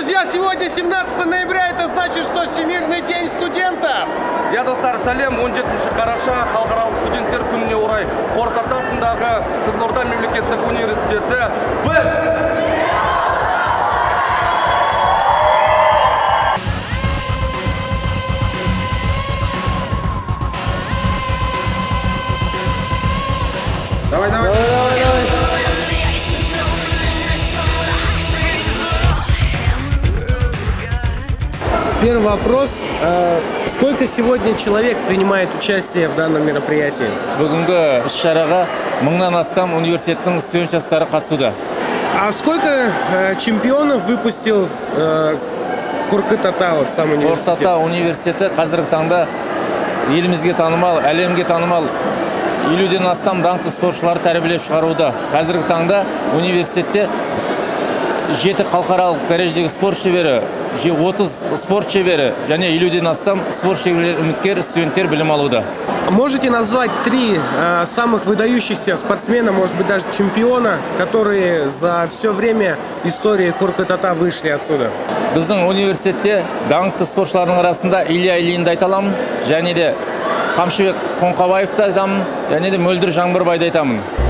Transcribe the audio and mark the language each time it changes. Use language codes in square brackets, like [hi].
[ru] сегодня 17 ноября, это значит, что Всемирный день студента. [kk] Я достар салем, 17-ші қараша, халықаралық студенттер күніне орай, Қорқыт атындағы Қызылорда мемлекеттік университеті, біз... [ru] Первый вопрос. Сколько сегодня человек принимает участие в данном мероприятии? [kk] Бүгінгі шараға мыңнан астам университеттің студент жастары қатысуда. [ru] А сколько чемпионов выпустил Қорқыт-ата, вот, сам университет? [kk] Қорқыт-ата университеті қазіргі таңда елімізге танымал, әлемге танымал 50-ден астам даңқты спортшылар тәрбиелеп шығаруда. Қазіргі таңда университетте 7 халықаралық дәрежедегі спорт шебері, 30 спорт шебері және 50-ден астам спорт шеберлер, үміткер, студенттер білім алуда. [ru] Можете назвать 3 самых выдающихся спортсмена, может быть даже чемпиона, которые за все время истории Қорқыт-ата вышли отсюда? [kk] Біздің университетте даңқты спортшылардың арасында Илья Ильинді айта аламын, және де Қамшыбек Қоңқабаевты айтамын, және де Мөлдір Жаңбырбайды айтамын.